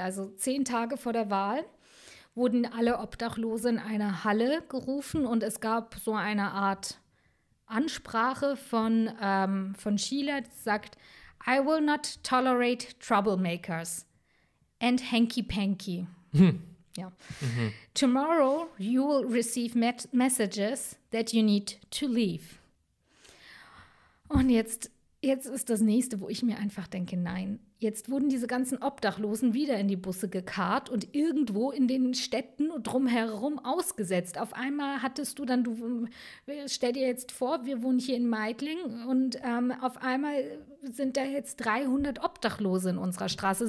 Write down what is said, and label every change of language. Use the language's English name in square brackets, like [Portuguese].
[German] Also 10 Tage vor der Wahl wurden alle Obdachlose in eine Halle gerufen und es gab so eine Art Ansprache von Sheila, die sagt: [English] I will not tolerate troublemakers and hanky-panky. [German] Ja. Mhm. [English] Tomorrow you will receive messages that you need to leave. [German] Und jetzt ist das Nächste, wo ich mir einfach denke, nein. Jetzt wurden diese ganzen Obdachlosen wieder in die Busse gekarrt und irgendwo in den Städten drumherum ausgesetzt. Auf einmal hattest du dann, stell dir jetzt vor, wir wohnen hier in Meidling und auf einmal sind da jetzt 300 Obdachlose in unserer Straße.